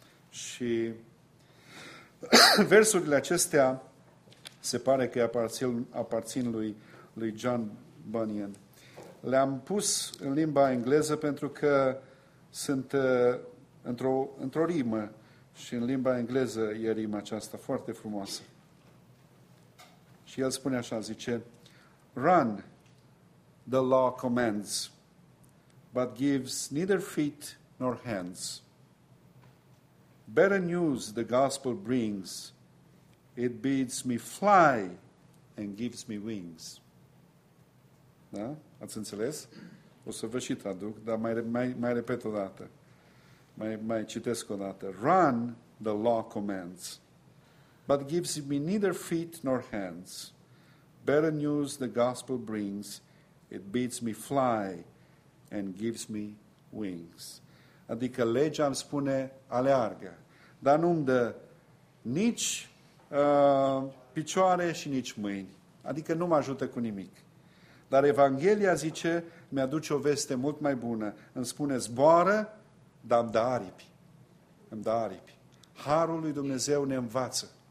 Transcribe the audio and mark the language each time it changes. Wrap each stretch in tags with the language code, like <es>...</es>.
<ro>Și versurile acestea se pare că aparțin lui John Bunyan. Le-am pus în limba engleză pentru că sunt într-o rimă și în limba engleză e rima aceasta foarte frumoasă. Și el spune așa, zice,</ro> <en>run, the law commands, but gives neither feet nor hands. Better news the gospel brings. It bids me fly and gives me wings.</en> <ro>Da? Ați înțeles? O să vă și traduc, dar mai repet o dată. Mai citesc o dată.</ro> <en>Run, the law commands, but gives me neither feet nor hands. Better news the gospel brings. It bids me fly and gives me wings.</en> <ro>Adică legea îmi spune aleargă, dar nu-mi dă nici picioare și nici mâini. Adică nu mă ajută cu nimic. Dar Evanghelia zice, mi-aduce o veste mult mai bună. Îmi spune, zboară, dar îmi dă aripi. Harul lui Dumnezeu ne învață.</ro>